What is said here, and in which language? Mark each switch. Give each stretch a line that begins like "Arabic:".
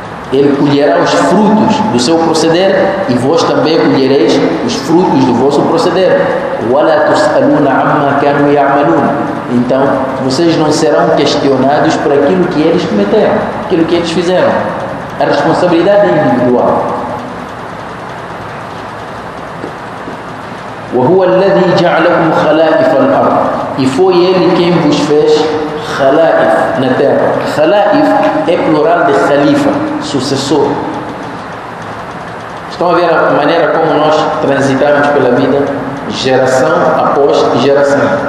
Portuguese: Ele colherá os frutos do seu proceder e vós também colhereis os frutos do vosso proceder.
Arabic: Wa la tus'aluna amma kanu ya'malun.
Portuguese: Então, vocês não serão questionados por aquilo que eles cometeram, aquilo que eles fizeram. A responsabilidade é individual.
Arabic: وهو الذي جعلكم خلائف الأرض.
Portuguese: E foi ele quem vos fez خلائف na terra. خلائف é plural de خليفه, sucessor. Estão a ver a maneira como nós transitamos pela vida, geração após geração.